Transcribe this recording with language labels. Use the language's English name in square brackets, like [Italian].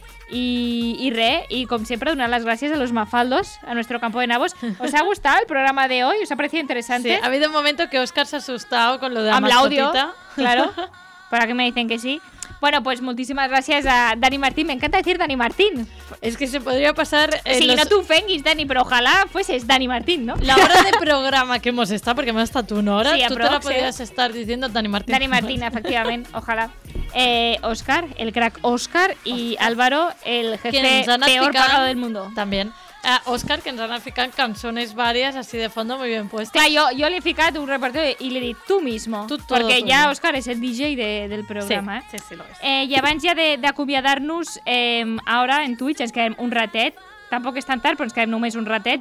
[Catalan] I res, i com sempre donar les gràcies a los Mafaldos, [Spanish] a nuestro campo de nabos. ¿Os ha gustado el programa de hoy? ¿Os ha parecido interesante? Sí, ha habido un momento que Óscar s'ha assustado con lo de la mascotita. Claro, ¿para qué me dicen que sí? Bueno, pues muchísimas gracias a Dani Martín. Me encanta decir Dani Martín. Es que se podría pasar... Sí, los... no te ofenguis, Dani, pero ojalá fueses Dani Martín, ¿no? La hora de programa que hemos estado, porque me has estado una hora, sí, tú te la podrías estar diciendo Dani Martín. Dani Martín, efectivamente, ojalá. Óscar, el crack Óscar, y Álvaro, el jefe peor pagado del mundo. También. [Catalan] Óscar, que ens han ficat cançones vàries així de fons, molt ben puestes. Clar, jo li he ficat un repertori i li he dit [Spanish] tu mismo, [Catalan] perquè ja Óscar és el DJ del programa. Sí, sí, lo és. I abans ja d'acomiadar-nos, ara en Twitch ens quedem un ratet, tampoc és tan tard, però ens quedem només un ratet.